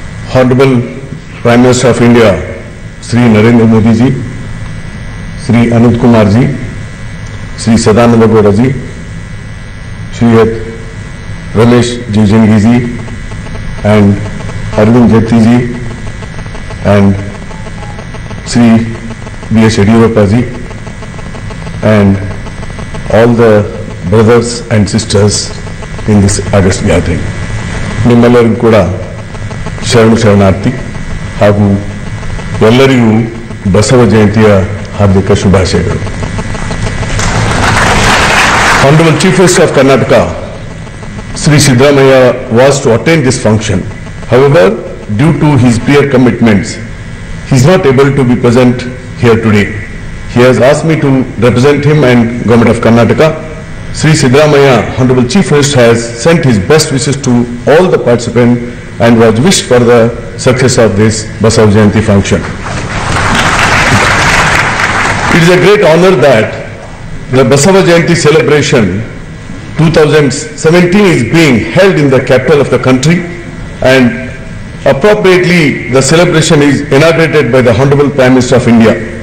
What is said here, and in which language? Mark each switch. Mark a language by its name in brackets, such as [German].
[English] Hon'ble Prime Minister of India, Shri Narendra Modi ji, Shri Anand Kumar ji, Shri Sadananda Gowda ji, Shri Ramesh Jayanthi ji, and Arvind Jayanthi ji, and Shri B.S. Yediyurappa ji, and all the brothers and sisters in this August gathering. [Kannada] ನಿಮ್ಮೆಲ್ಲರಿಗೂ ಕೂಡ ಶರಣು ಶರಣಾರ್ಥಿ ಹಾಗೂ ಎಲ್ಲರಿಗೂ ಬಸವ ಜಯಂತಿಯ ಹಾರ್ದಿಕ ಶುಭಾಶಯಗಳು. [English] Hon'ble chief minister of Karnataka Shri Siddaramaiah was to attend this function. However, due to his prior commitments he's not able to be present here today. He has ask me to represent him and government of Karnataka. Shri Siddaramaiah, Hon'ble Chief Minister, has sent his best wishes to all the participants and was wished for the success of this Basava Jayanti function. It is a great honor that the Basava Jayanti celebration 2017 is being held in the capital of the country, and appropriately the celebration is inaugurated by the Hon'ble Prime Minister of India.